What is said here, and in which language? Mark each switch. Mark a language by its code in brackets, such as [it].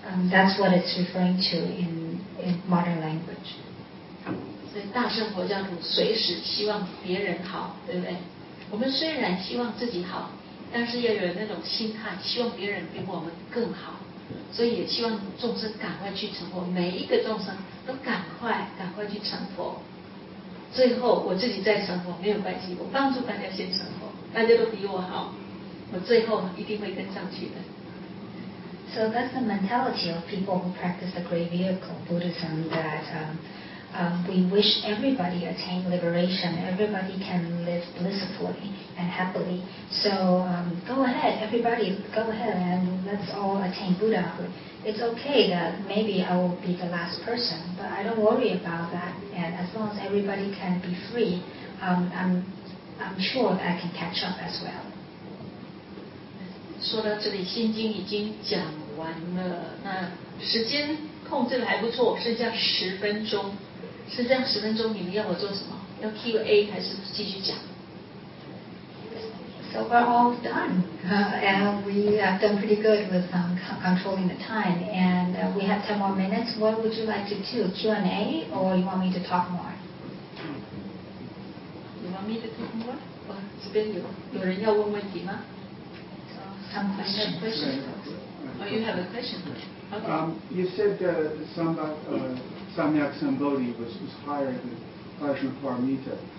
[en] That's what it's referring to in modern language. So, [zh] 大乘佛教徒随时希望别人好，对不对？我们虽然希望自己好，但是也有那种心态，希望别人比我们更好，所以也希望众生赶快去成佛，每一个众生都赶快去成佛。最后我自己再成佛没有关系，我帮助大家先成佛，大家都比我好，我最后一定会跟上去的。 [en] So that's the mentality of people who practice the Great Vehicle Buddhism that, we wish everybody attain liberation. Everybody can live blissfully and happily. So go ahead, everybody, go ahead and let's all attain Buddhahood. It's okay that maybe I will be the last person, but I don't worry about that. And as long as everybody can be free, I'm sure that I can catch up as well. [zh] 说到这里，心经已经讲完了，那时间控制的还不错，剩下十分钟。是这样，十分钟，你们要我做什么？要 Q&A 还是继续讲 [en] ？So we're all done, and we have done pretty good with controlling the time. And we have 10 more minutes. What would you like to do? Q&A, or you want me to talk more? You want me to talk more? [zh] 哇，这边有人要问问题吗 [en] ？Some questions. Oh, you have a question. Okay. You said some about. Samyak Sambodhi was higher than Prajnaparamita.